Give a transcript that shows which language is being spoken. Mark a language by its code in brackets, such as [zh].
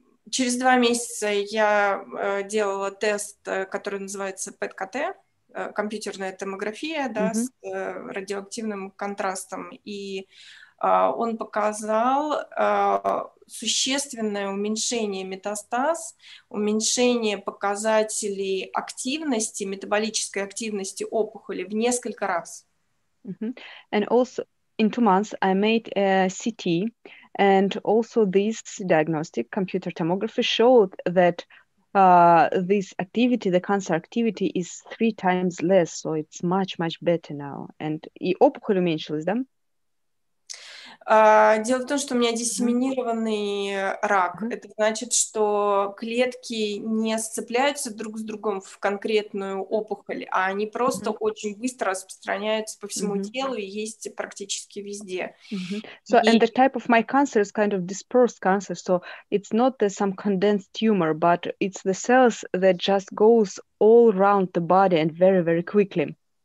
[ru] Через 2 месяца я делала тест, который называется ПЭТ-КТ, компьютерная томография, да, с радиоактивным контрастом, и он показал существенное уменьшение метастаз, уменьшение показателей активности, метаболической активности опухоли в несколько раз. [en] And also in 2 months I made a CT, and also this diagnostic computer tomography showed that this activity, the cancer activity, is 3 times less, so it's much better now. [ru] And и опухоль уменьшилась, да? Дело в том, что у меня диссеминированный рак. Это значит, что клетки не сцепляются друг с другом в конкретную опухоль, а они просто очень быстро распространяются по всему телу и есть практически везде. [en] So, and the type of my cancer is kind of dispersed cancer, so it's not the some condensed tumor, but it's the cells that just goes all around the body and very quickly.